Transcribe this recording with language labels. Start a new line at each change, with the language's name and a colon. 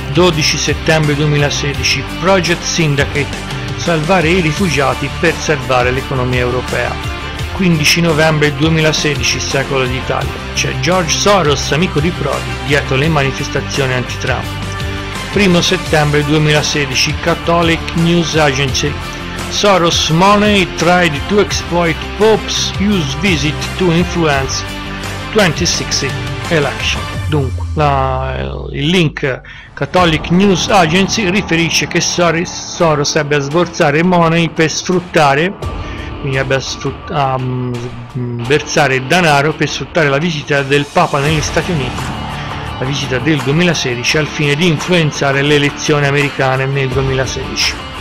Italian: 12 settembre 2016. Project Syndicate, salvare i rifugiati per salvare l'economia europea. 15 novembre 2016, Secolo d'Italia. C'è George Soros, amico di Prodi, dietro le manifestazioni anti-Trump. 1 settembre 2016, Catholic News Agency.
English: Soros Money tried to exploit Pope's US visit to influence 2016 election.
Italian: Dunque, il link Catholic News Agency riferisce che Soros ebbe a sborsare money per sfruttare, quindi ebbe a versare denaro per sfruttare la visita del Papa negli Stati Uniti, la visita del 2016, al fine di influenzare le elezioni americane nel 2016.